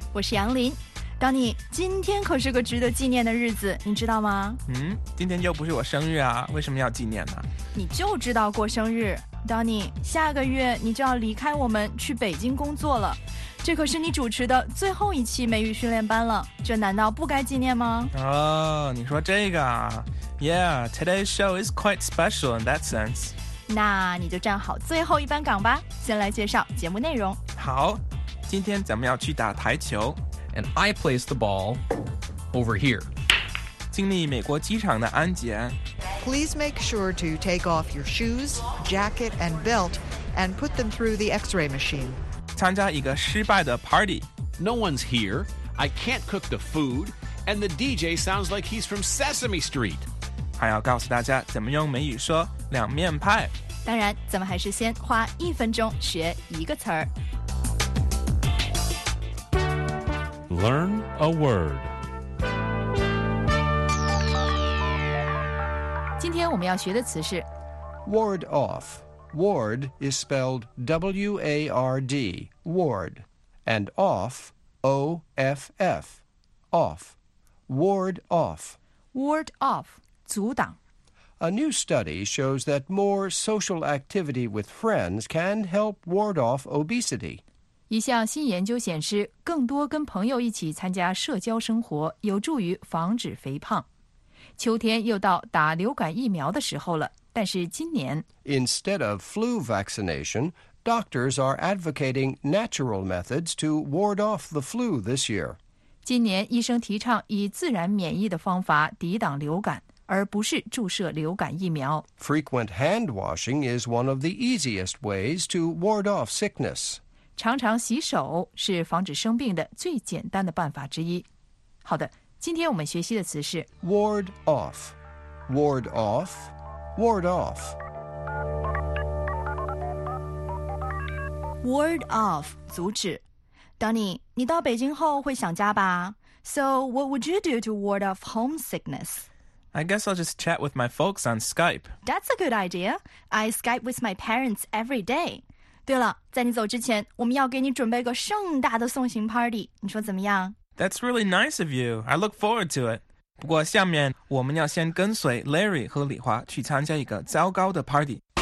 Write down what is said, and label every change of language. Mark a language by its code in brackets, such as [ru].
[zh] 我是杨林。Danny， 今天可是个值得纪念的日子，你知道吗？今天又不是我生日啊，为什么要纪念呢？你就知道过生日。 Danny， 下个月你就要离开我们去北京工作了，这可是你主持的最后一期美语训练班了，这难道不该纪念吗？哦，你说这个啊？ [en] Yeah， today's show is quite special in that sense。 [zh] 那你就站好最后一班岗吧，先来介绍节目内容。好，今天咱们要去打台球。 [en] And I place the ball over here. [zh] 经历美国机场的安检。 [en] Please make sure to take off your shoes, jacket and belt and put them through the x-ray machine. [zh] 参加一个失败的 party. [en] No one's here. I can't cook the food. And the DJ sounds like he's from Sesame Street. [zh] 还要告诉大家怎么用美语说两面派。当然，咱们还是先花一分钟学一个词儿。 [en] Learn a word。 [zh] 今天我们要学的词是 [en] ward off。 Ward is spelled W-A-R-D, ward, and off, O-F-F, off. Ward off. Ward off. [zh] 阻挡。 [en] A new study shows that more social activity with friends can help ward off obesity. [zh] 一项新研究显示，更多跟朋友一起参加社交生活有助于防止肥胖。秋天又到打流感疫苗的时候了，但是今年 [en] Instead of flu vaccination, doctors are advocating natural methods to ward off the flu this year. [zh] 今年医生提倡以自然免疫的方法抵挡流感，而不是注射流感疫苗。 [en] Frequent hand washing is one of the easiest ways to ward off sickness. [zh] 常常洗手是防止生病的最简单的办法之一。好的，今天我们学习的词是 [en] ward off, ward off, ward off. Ward off, [zh] 阻止。Danny, 你到北京后会想家吧？ [en] So what would you do to ward off homesickness? I guess I'll just chat with my folks on Skype. That's a good idea. I Skype with my parents every day. [zh] 对了，在你走之前，我们要给你准备个盛大的送行 party， 你说怎么样？ [en] That's really nice of you. I look forward to it. [zh] 不过下面我们要先跟随 Larry 和李华去参加一个糟糕的 party。